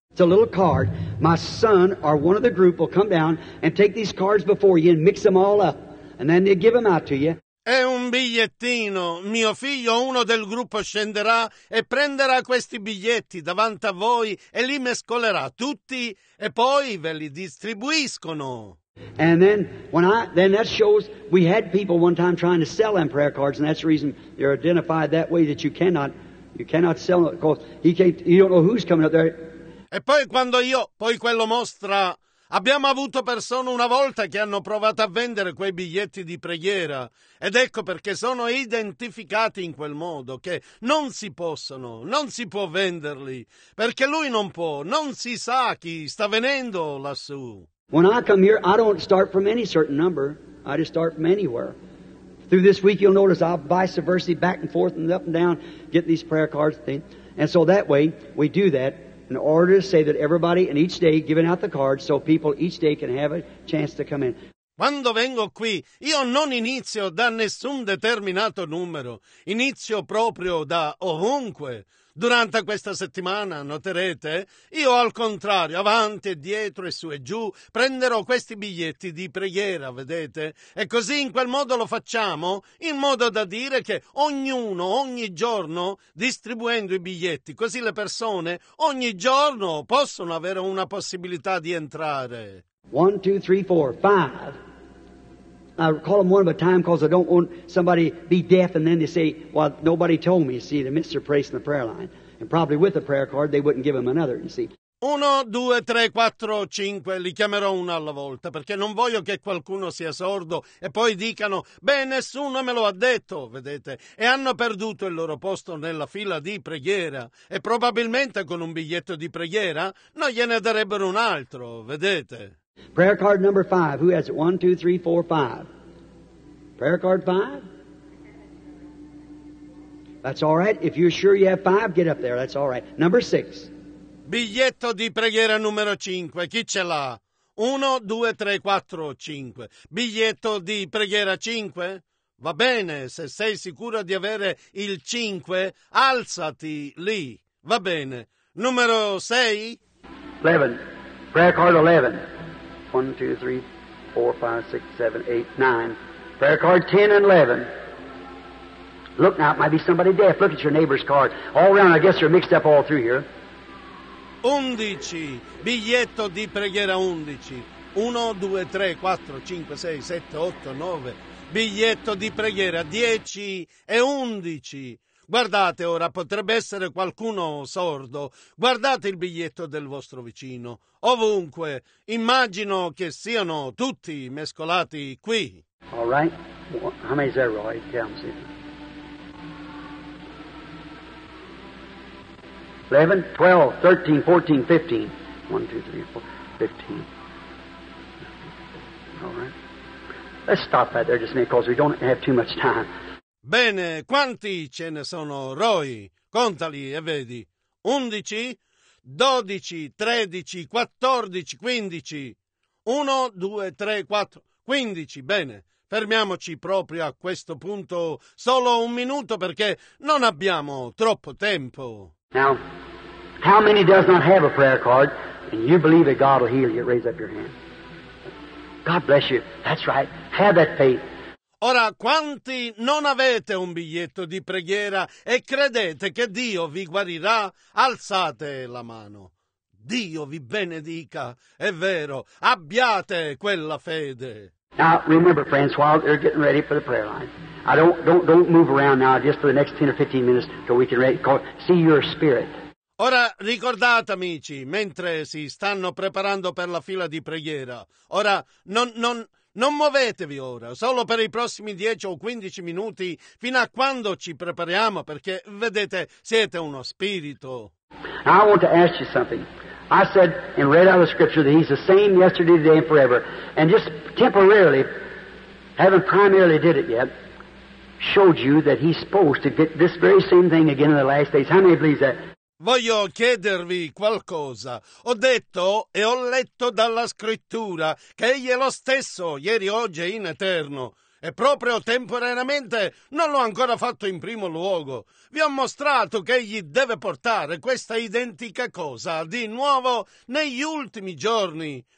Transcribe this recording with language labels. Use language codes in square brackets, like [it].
[en] It's a little card. My son or one of the group will come down and take these cards before you and mix them all up. And then they give them out to you. [it] È un bigliettino. Mio figlio, uno del gruppo, scenderà e prenderà questi biglietti davanti a voi e li mescolerà tutti e poi ve li distribuiscono. [en] And then that shows we had people one time trying to sell them prayer cards, and that's the reason they're identified that way, that you cannot sell them, because you don't know who's coming up there. [it] E poi quando io, poi quello mostra, abbiamo avuto persone una volta che hanno provato a vendere quei biglietti di preghiera, ed ecco perché sono identificati in quel modo, che non si può venderli, perché lui non può, non si sa chi sta venendo lassù. [en] When I come here, I don't start from any certain number, I just start from anywhere. Through this week you'll notice I'll vice versa, back and forth and up and down, get these prayer cards, and so that way we do that. In order to say that everybody and each day giving out the cards so people each day can have a chance to come in. [it] Quando vengo qui, io non inizio da nessun determinato numero. Inizio proprio da ovunque. Durante questa settimana, noterete, io al contrario, avanti e dietro e su e giù, prenderò questi biglietti di preghiera, vedete? E così in quel modo lo facciamo, in modo da dire che ognuno, ogni giorno, distribuendo i biglietti, così le persone, ogni giorno, possono avere una possibilità di entrare. [en] One, two, three, four, five. I call them one at a time because I don't want somebody to be deaf and then they say, well, nobody told me, see, they missed their place in the prayer line. And probably with a prayer card, they wouldn't give them another, you see. [it] Uno, due, tre, quattro, cinque, li chiamerò una alla volta, perché non voglio che qualcuno sia sordo e poi dicano, beh, nessuno me lo ha detto, vedete, e hanno perduto il loro posto nella fila di preghiera, e probabilmente con un biglietto di preghiera non gliene darebbero un altro, vedete. [en] Prayer card number five, who has it? One, two, three, four, five. Prayer card five? That's all right, if you're sure you have five, get up there, that's all right. Number six. [it] Biglietto di preghiera numero 5, chi ce l'ha? 1, 2, 3, 4, 5. Biglietto di preghiera 5? Va bene, se sei sicuro di avere il 5, alzati lì, va bene. Numero 6? [en] 11, prayer card 11. 1, 2, 3, 4, 5, 6, 7, 8, 9. Prayer card 10 and 11. Look now, it might be somebody deaf. Look at your neighbor's card. All around, I guess they're mixed up all through here. [it] 11, biglietto di preghiera 11, 1, 2, 3, 4, 5, 6, 7, 8, 9, biglietto di preghiera 10 e 11. Guardate ora, potrebbe essere qualcuno sordo, guardate il biglietto del vostro vicino, ovunque, immagino che siano tutti mescolati qui. [en] All right, how many is there, Roy? Tell me. 11, 11, 12, 13, 14, 15. 1, 2, 3, 4, 15. All right. Let's stop that there just a minute because we don't have too much time. [it] Bene, quanti ce ne sono, Roy? Contali e vedi. 11, 12, 13, 14, 15. 1, 2, 3, 4, 15. Bene. Fermiamoci proprio a questo punto solo un minuto perché non abbiamo troppo tempo. [en] Now, how many does not have a prayer card, and you believe that God will heal you? Raise up your hand. God bless you. That's right. Have that faith. [it] Ora, quanti non avete un biglietto di preghiera e credete che Dio vi guarirà? Alzate la mano. Dio vi benedica. È vero. Abbiate quella fede. [en] Now, remember, friends, while they're getting ready for the prayer line, I don't move around now just for the next 10 or 15 minutes till we can see your spirit. [it] Ora, ricordate, amici, mentre si stanno preparando per la fila di preghiera, ora, non muovetevi ora, solo per i prossimi 10 o 15 minuti, fino a quando ci prepariamo, perché, vedete, siete uno spirito. [en] Now, I want to ask you something. I said and read out of Scripture that He's the same yesterday, today, and forever. And just temporarily, haven't primarily did it yet, showed you that He's supposed to get this very same thing again in the last days. How many believe that? [it] Voglio chiedervi qualcosa. Ho detto e ho letto dalla Scrittura che Egli è lo stesso, ieri, oggi e in eterno. E proprio temporaneamente non l'ho ancora fatto in primo luogo. Vi ho mostrato che Egli deve portare questa identica cosa di nuovo negli ultimi giorni.